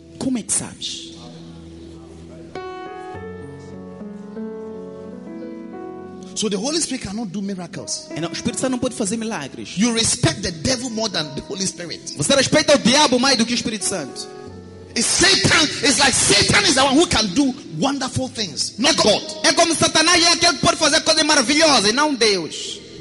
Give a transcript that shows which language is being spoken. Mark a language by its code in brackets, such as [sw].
[pt] Como é que sabes? [en] So the Holy Spirit cannot do miracles. [pt] And o Espírito Santo não pode fazer milagres. [en] You respect the devil more than the Holy Spirit. [pt] Você respeita o diabo mais do que o Espírito Santo. [en] It's Satan. It's like Satan is the one who can do wonderful things, not God. [pt] É como Satanás é aquele que pode fazer coisas maravilhosas e não Deus.